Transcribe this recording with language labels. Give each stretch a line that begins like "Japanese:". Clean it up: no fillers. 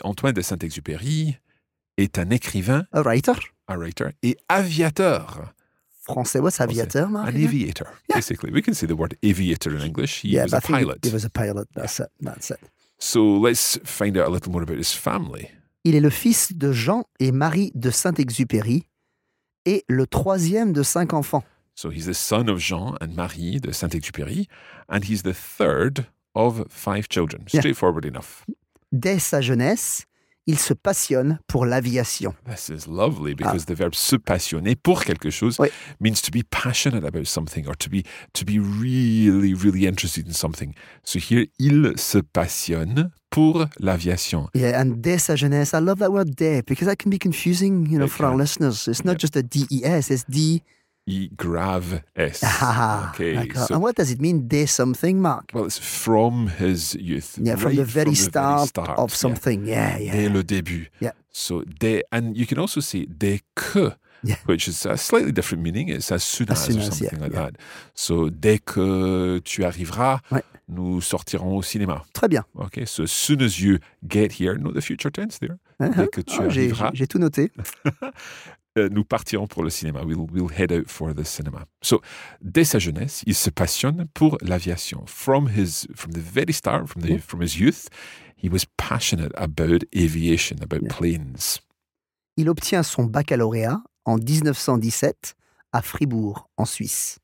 French: Antoine de Saint-Exupéry est un écrivain.
English: A writer.
French: Et aviateur.
English: Français, what's aviateur, Marc? An aviator, basically. We can say the word aviator in English. He was a pilot. He was a pilot, that's it. So let's find out a little more about his family.
French: Il est le fils de Jean et Marie de Saint-Exupéry et le troisième de cinq enfants.
English: So he's the son of Jean and Marie de Saint-Exupéry, and he's the third of five children. Straightforward enough.
French: Dès sa jeunesse, il se passionne pour l'aviation.
English: This is lovely because the verb
French: se passionner pour quelque chose
English: means to be passionate about something or to be really, really interested in something.
French: So here, il se passionne pour l'aviation.
English: Yeah, and
French: dès sa jeunesse,
English: I love that word dès because that can be confusing, you know, for our listeners. It's not just a D-E-S, it's D... Grave S. Ah, okay. So, and what does it mean, de something, Marc? Well, it's from his youth. Yeah, right from the very start of something. Yeah, yeah.
French: Dès le début.
English: Yeah. So, de, and you can also say de que, which is a slightly different meaning. It's as soon as, or something like that.
French: So, dès que tu arriveras, nous sortirons au cinéma. Très bien.
English: Okay, so as soon as you get here, note the future tense there.
French: Uh-huh. Dès que tu arriveras. J'ai tout noté. Nous partirons pour le cinéma.
English: We'll head out for the cinema.
French: So, dès sa jeunesse, il se passionne pour l'aviation.
English: From his youth, he was passionate about aviation, about planes.
French: Il obtient son baccalauréat en 1917 à Fribourg, en Suisse.